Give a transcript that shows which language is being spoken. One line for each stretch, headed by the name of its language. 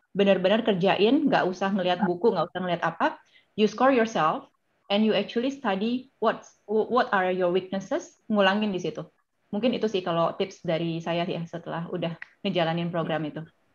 Indonesian: Benar-benar kerjain, nggak usah ngelihat buku, nggak usah ngelihat apa.
English: You score yourself and you actually study what are your weaknesses.
Indonesian: Ngulangin di situ. Mungkin itu sih kalau tips dari saya ya setelah udah ngejalanin program itu.